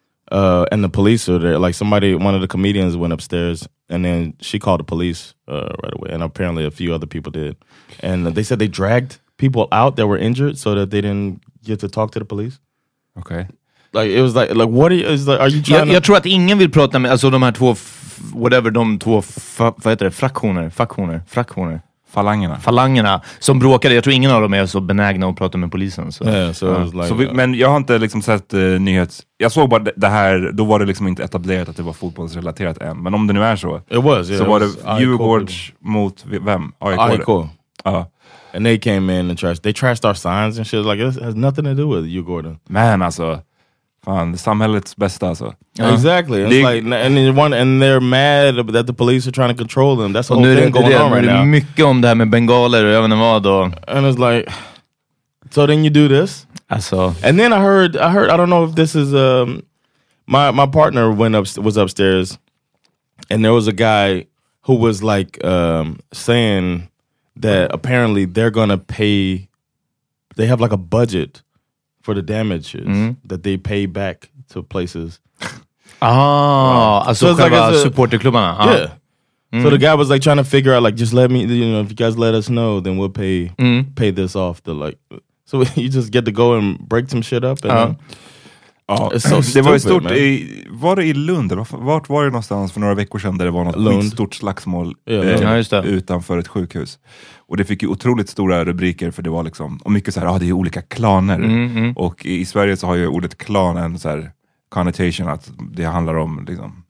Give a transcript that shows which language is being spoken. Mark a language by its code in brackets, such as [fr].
[en] And the police were there. Like somebody, one of the comedians went upstairs, and then she called the police right away. And apparently a few other people did. And they said they dragged people out that were injured so that they didn't get to talk to the police. Okay. Like, it was like what are you, is like, are you trying [sv] jag tror att ingen vill prata med, alltså de här två, whatever, de två, vad heter det, fraktioner. Falangerna som bråkade. Jag tror ingen av dem är så benägna att prata med polisen. Så. [en] Yeah, so like, [sv] så vi, men jag har inte liksom sett nyhets... Jag såg bara det här, då var det liksom inte etablerat att det var fotbollsrelaterat än. Men om det nu är så... [en] It was, yeah. [sv] Så var det Djurgårds mot vem? AIK. [en] And they came in and trashed. They trashed our signs and shit. Like, it has nothing to do with Djurgården. [sv] Man, alltså... Fan, samhällets bästa alltså. [en] Exactly. It's like, and they're mad that the police are trying to control them. That's the whole thing going on right now. [sv] Det är mycket om det här med bengaler och jag vet inte vad. [en] And it's like, so then you do this. [sv] Alltså. [en] And then I heard, I don't know if this is, my partner was upstairs and there was a guy who was like saying that apparently they're going to pay, they have like a budget for the damages that they pay back to places. Oh, so like support the club. Yeah. So the guy was like trying to figure out, like, just let me, you know, if you guys let us know, then we'll pay this off. The like, so you just get to go and break some shit up. It's so stupid. [sv] Det var stort. Var det i Lund? Vart var det någonstans för några veckor sedan där det var något stort slagsmål utanför ett sjukhus? Och det fick ju otroligt stora rubriker, för det var liksom, och mycket så här, det är ju olika klaner. Och i Sverige så har ju ordet klan en så här connotation att det handlar om liksom...